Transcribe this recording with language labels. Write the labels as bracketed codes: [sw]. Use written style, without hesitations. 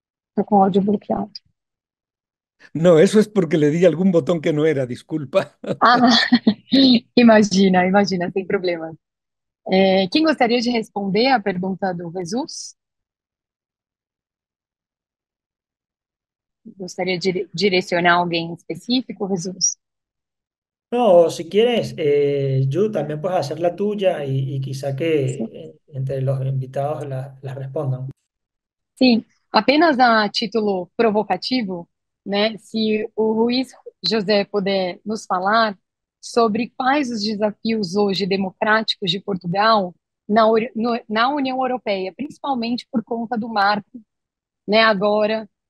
[es] Está con audio bloqueado. No, eso es porque le di algún botón que no era, disculpa. Ah, imagina, imagina, sin problema. ¿Quién gustaría de responder a la pregunta de Jesús? [pt] Gostaria de direcionar alguém específico, Jesus? [es] No, si quieres, Yu, también puedes hacer la tuya y quizá que entre los invitados la respondan. [pt] Sim, apenas a título provocativo, né? Se o Luiz José puder nos falar sobre quais os desafios hoje democráticos de Portugal na União Europeia, principalmente por conta do marco, né, agora.